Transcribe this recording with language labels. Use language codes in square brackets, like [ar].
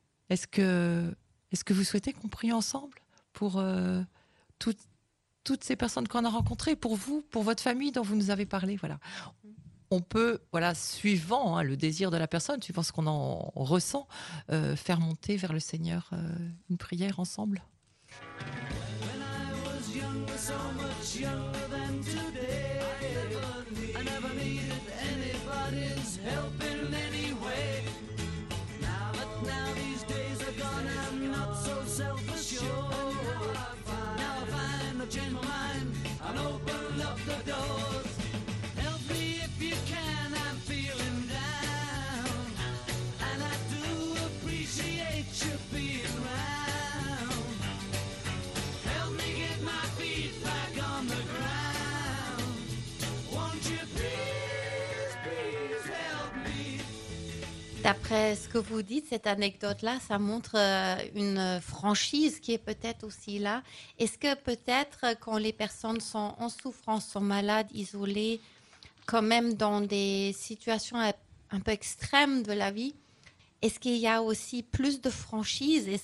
[fr] Est-ce que vous souhaitez qu'on prie ensemble pour toutes ces personnes qu'on a rencontrées, pour vous, pour votre famille dont vous nous avez parlé, voilà. On peut, voilà, suivant le désir de la personne, suivant ce qu'on en ressent, faire monter vers le Seigneur une prière ensemble. [en] When I was younger, so much younger than today, I never needed anybody's help in any way. Now these days are gone, I'm not so self-assured. Now I find a gentle mind and open up the doors. Help me if you can, I'm feeling down, and I do appreciate you being round. Help me get my feet back on the ground. Won't you please, please help me. [fr] D'après ce que vous dites, cette anecdote-là, ça montre une franchise qui est peut-être aussi là. Est-ce que peut-être, quand les personnes sont en souffrance, sont malades, isolées, quand même dans des situations un peu extrêmes de la vie, est-ce qu'il y a aussi plus de franchise ?